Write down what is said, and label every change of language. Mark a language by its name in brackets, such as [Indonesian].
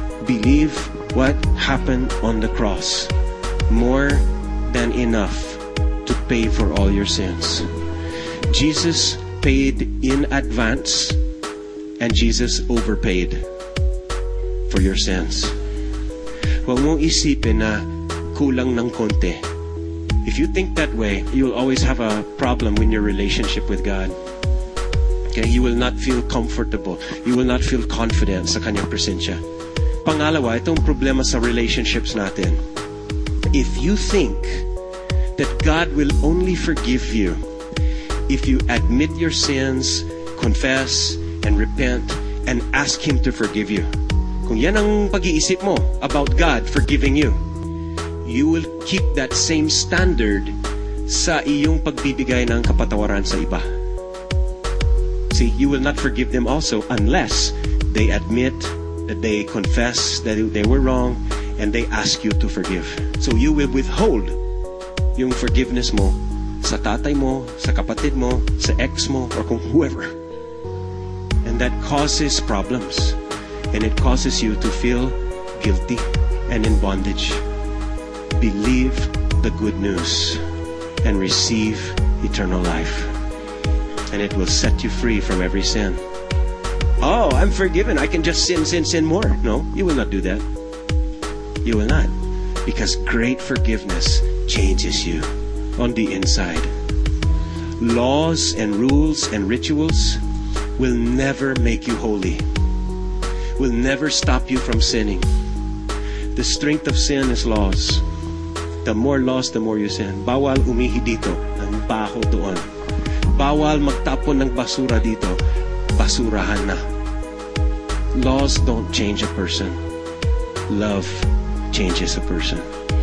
[English] Believe what happened on the cross. More than enough to pay for all your sins. Jesus paid in advance and Jesus overpaid for your sins. [Filipino] Huwag mong isipin na kulang ng konti. [English] If you think that way, you'll always have a problem in your relationship with God. Okay, you will not feel comfortable. You will not feel confident [Filipino] sa kanyang presensya. Pangalawa, itong problema sa relationships natin. [English] If you think that God will only forgive you if you admit your sins, confess, and repent, and ask Him to forgive you. [Filipino] Kung yan ang pag-iisip mo [English] about God forgiving you, you will keep that same standard [Filipino] sa iyong pagbibigay ng kapatawaran sa iba. [English] See, you will not forgive them also unless they admit that they confess that they were wrong and they ask you to forgive. So you will withhold [Filipino] yung forgiveness mo sa tatay mo, sa kapatid mo, sa ex mo, [English] or kung whoever. And that causes problems. And it causes you to feel guilty and in bondage. Believe the good news and receive eternal life. And it will set you free from every sin. Oh, I'm forgiven. I can just sin more. No, you will not do that. You will not. Because great forgiveness changes you on the inside. Laws and rules and rituals will never make you holy. Will never stop you from sinning. The strength of sin is laws. The more laws, the more you sin. [Filipino] Bawal umihi dito. Ang baho doon. Bawal magtapon ng basura dito. Basurahan na. [English] Laws don't change a person. Love changes a person.